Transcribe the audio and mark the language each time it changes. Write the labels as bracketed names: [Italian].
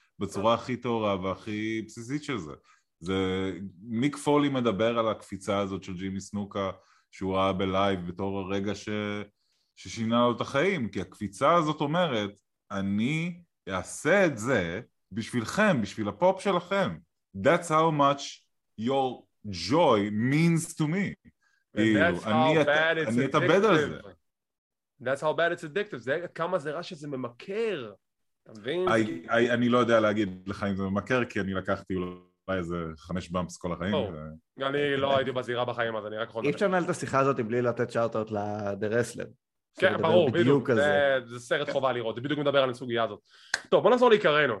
[Hebrew] בצורה הכי טהורה והכי בסיסית של זה. זה, מיק פולי מדבר על הקפיצה הזאת של ג'ימי סנוקה, שהוא ראה בלייב בתור הרגע ששינה לו את החיים. כי הקפיצה הזאת אומרת, אני אעשה את זה בשבילכם, בשביל הפופ שלכם. [English] That's how much your joy means to me. [Hebrew] אני אתאבד על זה. [English] That's how bad it's addictive. [Hebrew] זה כמה זה רע שזה ממכר. אני לא יודע להגיד לך אם זה ממכר, כי אני לקחתי אולי איזה 5 באמפס כל החיים. אני לא הייתי בזירה בחיים, אז אני רק יכול... אי אפשר לנהל את השיחה הזאת בלי לתת שאוט-אוט לדרסלם. כן, ברור, בדיוק. זה סרט חובה לראות, זה בדיוק מדבר על הסוגיה הזאת. טוב, בוא נעזור לעיקרנו.